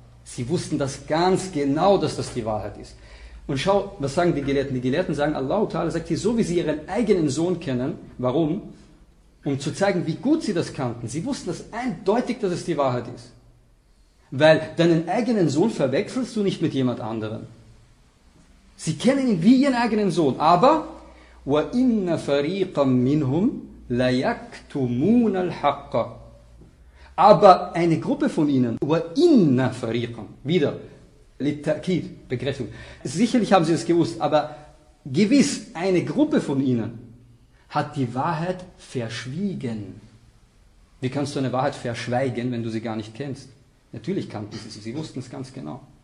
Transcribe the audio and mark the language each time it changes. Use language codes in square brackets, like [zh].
[de] Sie wussten das ganz genau, dass das die Wahrheit ist. Und schau, was sagen die Gelehrten? Die Gelehrten sagen, Allah Ta'ala sagt hier, so wie sie ihren eigenen Sohn kennen. Warum? Um zu zeigen, wie gut sie das kannten. Sie wussten das eindeutig, dass es die Wahrheit ist. Weil deinen eigenen Sohn verwechselst du nicht mit jemand anderem. Sie kennen ihn wie ihren eigenen Sohn. [ar] Aber, وَإِنَّ فَرِيقًا مِّنْهُمْ لَيَكْتُمُونَ الْحَقَّ. [de] Aber eine Gruppe von ihnen, [ar] وَإِنَّ فَرِيقًا, [de] wieder, للتأكيد, Begriffung. Sicherlich haben sie es gewusst, aber gewiss, eine Gruppe von ihnen hat die Wahrheit verschwiegen. Wie kannst du eine Wahrheit verschweigen, wenn du sie gar nicht kennst? Natürlich kannten sie, sie wussten es ganz genau.